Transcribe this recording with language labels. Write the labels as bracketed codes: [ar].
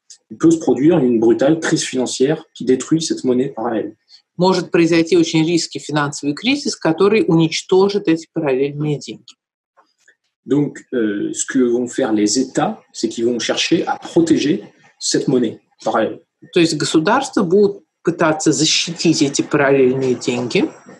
[fr] il peut se produire une brutale crise financière qui détruit cette monnaie parallèle. [ru] Может произойти очень риский финансовый кризис, который уничтожит эти параллельные деньги. [fr] Donc, ce que vont faire les États, c'est qu'ils vont chercher à protéger cette monnaie parallèle. [ru] То есть государства будут пытаться защитить эти параллельные деньги.